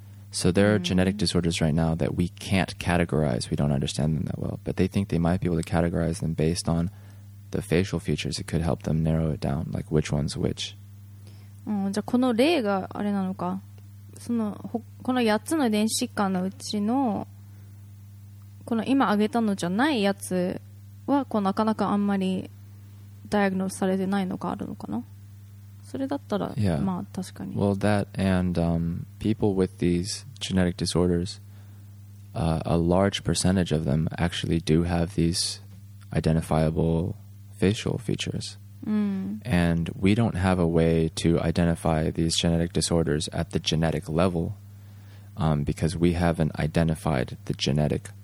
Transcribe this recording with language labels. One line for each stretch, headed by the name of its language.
English: So there are genetic disorders right now that we can't categorize, we don't understand them that well, but they think they might be able to categorize them based on the facial features. It could help them narrow it down, like which one's which.
Japanese: じゃあこの例があれなのか、そのこの8つの遺伝子疾患のうちのこの今挙げたのじゃないやつはこうなかなかあんまりダイアグノスされてないのがあるのかな。それだったら、
English: yeah.
Japanese: まあ確かに。
English: Well, that and people with these genetic disorders, a large percentage of them actually do have these identifiable facial features. And we don't have a way to identify these genetic disorders at the genetic level, because we haven't identified the genetic